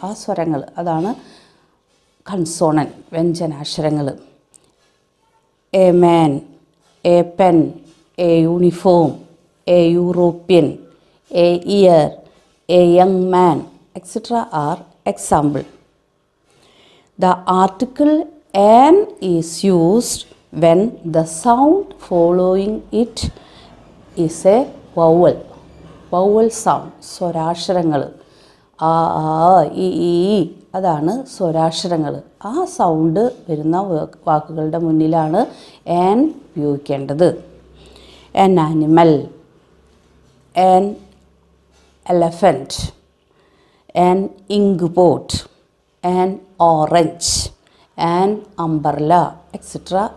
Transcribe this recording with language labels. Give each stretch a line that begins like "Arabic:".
Malayalam: ആ സ്വരങ്ങൾ, അതാണ് കൺസോണൻറ്റ്, വ്യഞ്ജനാക്ഷരങ്ങൾ.
English: A man, a pen, a uniform, a European, a year, a young man, etcetera are example. The article an is used when the sound following it is a vowel.
Malayalam: Vowel sound, സ്വരാക്ഷരങ്ങള്, ആ ആ ഈ ഈ, അതാണ് സ്വരാക്ഷരങ്ങൾ. ആ sound വരുന്ന വാക്കുകളുടെ മുന്നിലാണ് an ഉപയോഗിക്കേണ്ടത്.
English: An animal, an elephant, an ink pot, an orange, an umbrella, etc.